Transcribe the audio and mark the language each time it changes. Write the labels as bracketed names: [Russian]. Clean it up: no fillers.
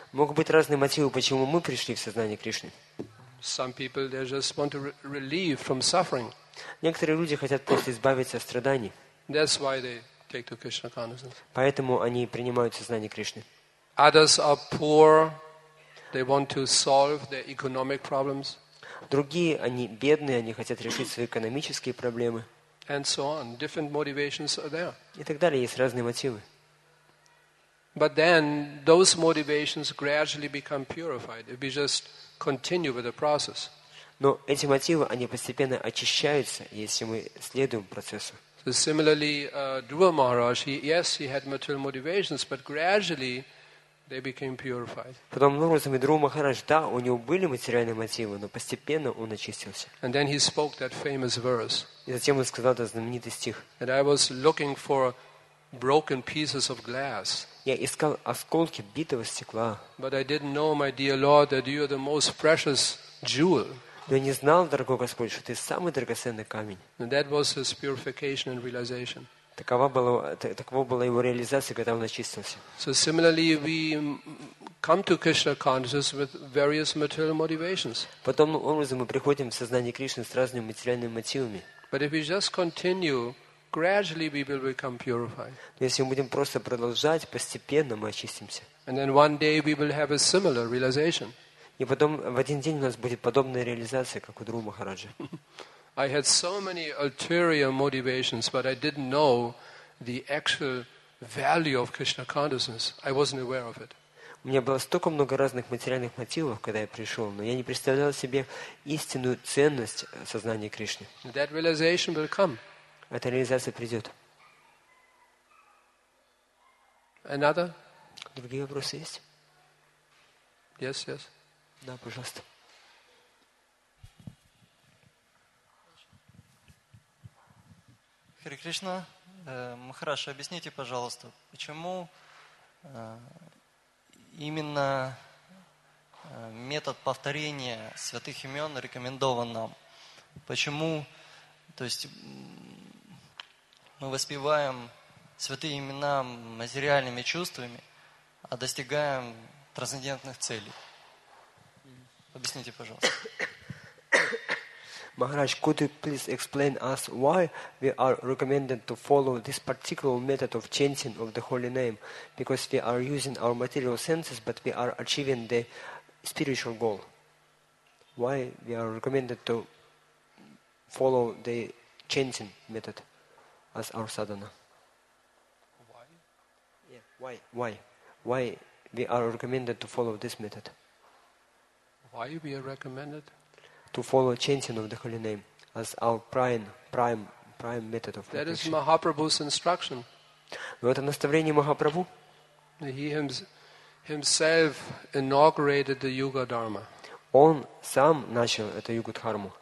[Russian] Могут быть разные мотивы, почему мы пришли в сознание Кришны. [English] Some people they just want to relieve from suffering. [Russian] Некоторые люди хотят просто избавиться от страданий. [English] That's why they take to Krishna consciousness. [Russian] Поэтому они принимают сознание Кришны. [English] Others are poor. They want to solve their economic problems. [Russian] Другие, они бедные, они хотят решить свои экономические проблемы. [English] And so on. Different motivations are there. [Russian] И так далее, есть разные мотивы. [English] But then those motivations gradually become purified if we just continue with the process. [Russian] Но эти мотивы, они постепенно очищаются, если мы следуем процессу. [English] So similarly, Dhruva Maharaj, he had material motivations, but gradually they became purified. [Russian] Потом образом Дхрува Махарадж, да, у него были материальные мотивы, но постепенно он очистился. [English] And then he spoke that famous verse. [Russian] И затем он сказал этот знаменитый стих. [English] And I was looking for broken pieces of glass. [Russian] Я искал осколки битого стекла. [English] But I didn't know, my dear Lord, that you are the most precious jewel. [Russian] Но я не знал, дорогой Господь, что ты самый драгоценный камень. [English] And that was his purification and realization. [Russian] Такова была его реализация, когда он очистился. [English] So similarly, we come to Krishna consciousness with various material motivations. [Russian] Подобным образом мы приходим в сознание Кришны с разными материальными мотивами. [English] But if we just continue, gradually we will become purified. [Russian] Если мы будем просто продолжать, постепенно мы очистимся. [English] And then one day we will have a similar realization. [Russian] И потом в один день у нас будет подобная реализация, как у Дхрувы Махараджа. [English] I had so many ulterior motivations, but I didn't know the actual value of Krishna consciousness. I wasn't aware of it. [Russian] У меня было столько много разных материальных мотивов, когда я пришел, но я не представлял себе истинную ценность сознания Кришны. [English] That realization will come. [Russian] Эта реализация придет. [English] Another? [Russian] Другие вопросы есть? [English] Yes, yes. [Russian] Да, пожалуйста. Хари Кришна, Махарадж, объясните, пожалуйста, почему именно метод повторения святых имен рекомендован нам? Почему, то есть, мы воспеваем святые имена материальными чувствами, а достигаем трансцендентных целей? Объясните, пожалуйста. [English] Maharaj, could you please explain us why we are recommended to follow this particular method of chanting of the holy name? Because we are using our material senses, but we are achieving the spiritual goal. Why we are recommended to follow the chanting method as our sadhana? Why? Yeah. Why? Why? Why we are recommended to follow this method? Why we are recommended? To follow chanting of the holy name as our prime method of meditation. That is Mahaprabhu's instruction. [Russian] Это наставление Махапрабху. [English] He himself inaugurated the Yuga Dharma. [Russian] Он сам начал эту Юга Дхарму.